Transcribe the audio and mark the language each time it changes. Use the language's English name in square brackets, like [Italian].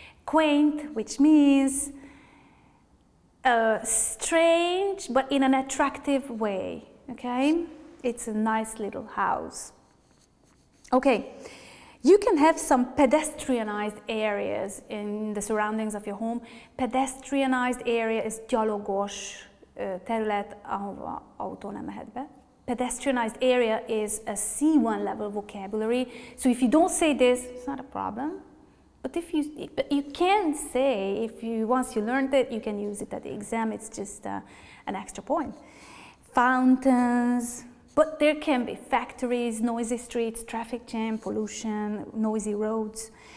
[English] Quaint, which means strange, but in an attractive way, okay? It's a nice little house. Okay, you can have some pedestrianized areas in the surroundings of your home. Pedestrianized area is [Hungarian] gyalogos terület, ahova autó nem mehet be. [English] Pedestrianized area is a C1 level vocabulary. So if you don't say this, it's not a problem. But if you, but you can say, if you once you learned it, you can use it at the exam. It's just an extra point. Fountains. But there can be factories, noisy streets, traffic jam, pollution, noisy roads.